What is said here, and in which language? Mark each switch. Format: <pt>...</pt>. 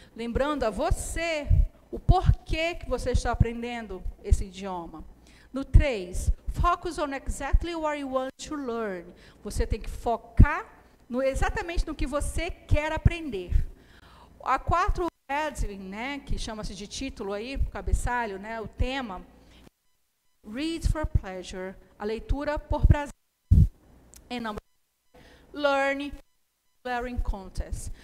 <pt>Lembrando a você o porquê que você está aprendendo esse idioma.</pt> <en>No 3, focus on exactly what you want to learn.</en> <pt>Você tem que focar exatamente no que você quer aprender. A 4, heading, né, que chama-se de título aí, cabeçalho, né, o tema.</pt> <en>Read for pleasure.</en> <pt>A leitura por prazer.</pt> <en>And number 5, learn learning context.</en>